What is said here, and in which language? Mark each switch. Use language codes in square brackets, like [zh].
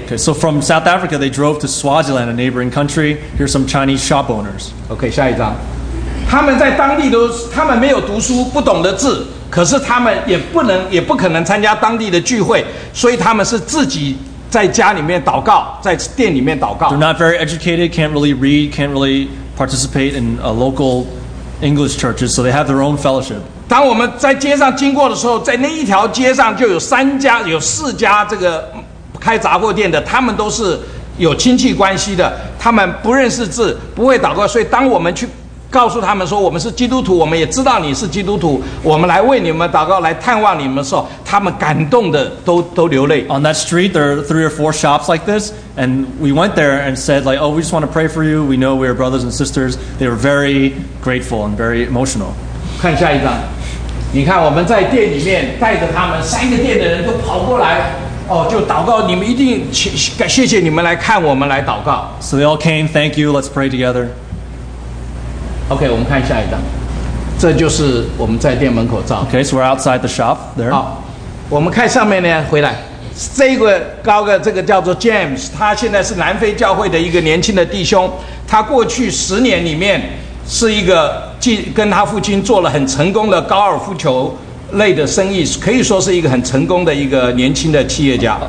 [en] Okay, so from South Africa, they drove to Swaziland, a neighboring country. Here's some Chinese shop owners. Okay, [zh] 下一张。他们在当地都，他们没有读书，不懂得字，可是他们也不可能参加当地的聚会，所以他们是自己在家里面祷告，在店里面祷告。 [en] They're not very educated, can't really read, can't really participate in a local English churches, so they have their own fellowship. [zh] 当我们在街上经过的时候，在那一条街上就有有四家这个开杂货店的，他们都是有亲戚关系的，他们不认识字，不会祷告，所以当我们去告诉他们说我们是基督徒，我们也知道你是基督徒，我们来为你们祷告，来探望你们的时候，他们感动的都流泪。 [en] On that street, there are 3 or 4 shops like this, and we went there and said like, oh, we just want to pray for you. We know we are brothers and sisters. They were very grateful and very emotional. [zh] 看下一张，你看我们在店里面带着他们三个店的人都跑过来。就祷告，你们一定谢谢你们来看我们来祷告。 [en] So they all came, thank you, let's pray together. Okay, [zh] 我们看下一张，这就是我们在店门口照。 [en] Okay, so we're outside the shop there. [zh] 好，我们看上面呢，回来这个高个，这个叫做 James， 他现在是南非教会的一个年轻的弟兄。他过去十年里面是一个跟他父亲做了很成功的高尔夫球类的生意，可以说是一个很成功的一个年轻的企业家。